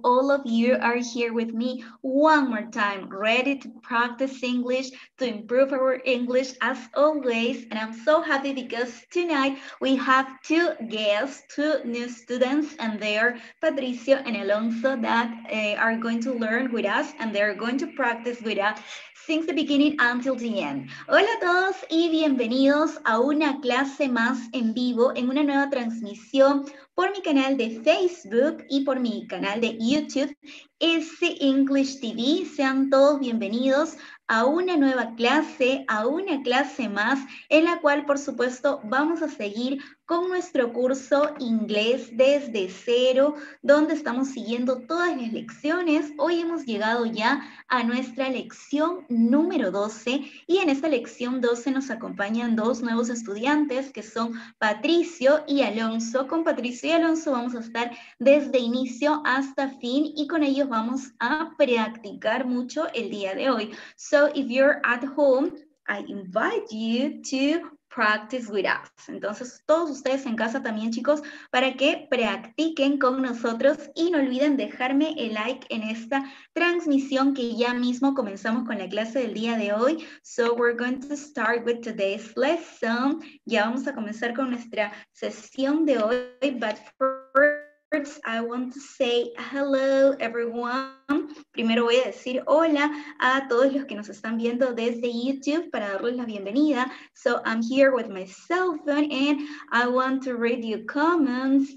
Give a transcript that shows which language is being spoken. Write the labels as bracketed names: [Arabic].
[English] All of you are here with me one more time, ready to practice English, to improve our English as always. And I'm so happy because tonight we have two guests, two new students, and they are Patricio and Alonso that are going to learn with us and they're going to practice with us since the beginning until the end. [Spanish] Hola a todos y bienvenidos a una clase más en vivo en una nueva transmisión por mi canal de Facebook y por mi canal de YouTube, S English TV. Sean todos bienvenidos a una nueva clase, a una clase más, en la cual, por supuesto, vamos a seguir con nuestro curso inglés desde cero, donde estamos siguiendo todas las lecciones. Hoy hemos llegado ya a nuestra lección número 12, y en esta lección 12 nos acompañan dos nuevos estudiantes, que son Patricio y Alonso. Con Patricio y Alonso vamos a estar desde inicio hasta fin, y con ellos vamos a practicar mucho el día de hoy. [English] So if you're at home, I invite you to practice with us. [Spanish] Entonces, todos ustedes en casa también, chicos, para que practiquen con nosotros y no olviden dejarme el like en esta transmisión que ya mismo comenzamos con la clase del día de hoy. [English] So we're going to start with today's lesson. [Spanish] Ya vamos a comenzar con nuestra sesión de hoy, [English] but first, I want to say hello, everyone. [Spanish] Primero voy a decir hola a todos los que nos están viendo desde YouTube para darles la bienvenida. [English] So I'm here with my cell phone and I want to read your comments.